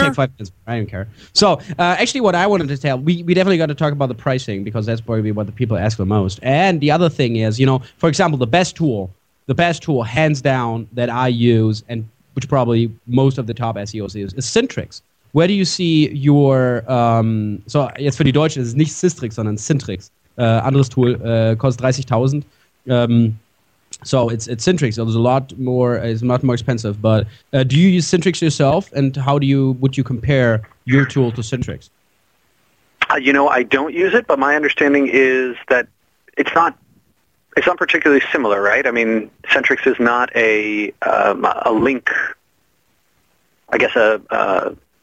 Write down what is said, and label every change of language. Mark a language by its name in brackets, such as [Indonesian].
[English] We take 5 minutes. I don't care. So actually what I wanted to tell, we definitely got to talk about the pricing because that's probably what the people ask the most. And the other thing is, you know, for example, the best tool hands down that I use and which probably most of the top SEOs use is Syntrix. Where do you see your, [German] so jetzt für die Deutschen, es ist nicht Sistrix, sondern Syntrix, anderes Tool, kostet 30.000. [English] So it's Syntrix, so it's a lot more expensive, but do you use Syntrix yourself, and would you compare your tool to Syntrix? You know, I don't use it, but my understanding is that it's not particularly similar, right? I mean, Syntrix is not a link, I guess a